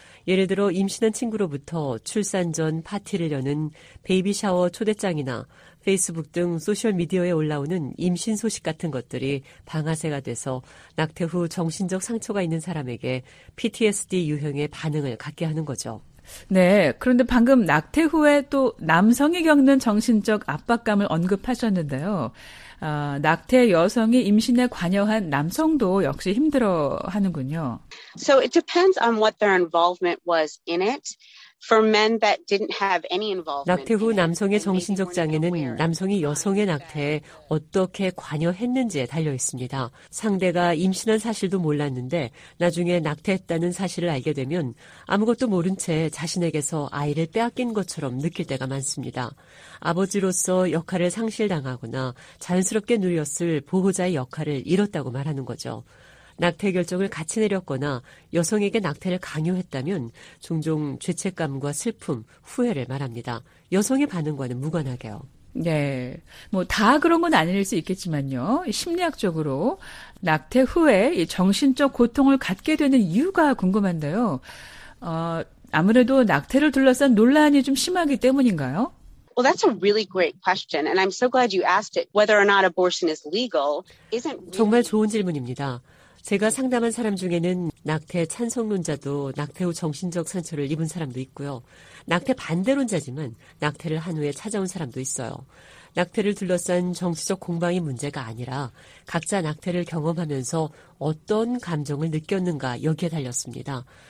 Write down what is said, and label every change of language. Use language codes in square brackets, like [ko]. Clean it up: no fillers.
[ko] 예를 들어 임신한 친구로부터 출산 전 파티를 여는 베이비 샤워 초대장이나 페이스북 등 소셜미디어에 올라오는 임신 소식 같은 것들이 방아쇠가 돼서 낙태 후 정신적 상처가 있는 사람에게 PTSD 유형의 반응을 갖게 하는 거죠. 네, 그런데 방금 낙태 후에 또 남성이 겪는 정신적 압박감을 언급하셨는데요. 낙태 여성이 임신에 관여한 남성도 역시 힘들어하는군요. [en] So it depends on what their involvement was in it. For men that didn't have any involvement. [ko] 낙태 후 남성의 정신적 장애는 남성이 여성의 낙태에 어떻게 관여했는지에 달려 있습니다. 상대가 임신한 사실도 몰랐는데 나중에 낙태했다는 사실을 알게 되면 아무것도 모른 채 자신에게서 아이를 빼앗긴 것처럼 느낄 때가 많습니다. 아버지로서 역할을 상실당하거나 자연스럽게 누렸을 보호자의 역할을 잃었다고 말하는 거죠. 낙태 결정을 같이 내렸거나 여성에게 낙태를 강요했다면 종종 죄책감과 슬픔, 후회를 말합니다. 여성의 반응과는 무관하게요. 네. 뭐 다 그런 건 아닐 수 있겠지만요. 심리학적으로 낙태 후에 정신적 고통을 갖게 되는 이유가 궁금한데요. 아무래도 낙태를 둘러싼 논란이 좀 심하기 때문인가요? [en] Well, that's a really great question, and I'm so glad you asked it. Whether or not abortion is legal isn't really... [ko] 정말 좋은 질문입니다. 제가 상담한 사람 중에는 낙태 찬성론자도 낙태 후 정신적 상처를 입은 사람도 있고요. 낙태 반대론자지만 낙태를 한 후에 찾아온 사람도 있어요. 낙태를 둘러싼 정치적 공방이 문제가 아니라 각자 낙태를 경험하면서 어떤 감정을 느꼈는가 여기에 달렸습니다.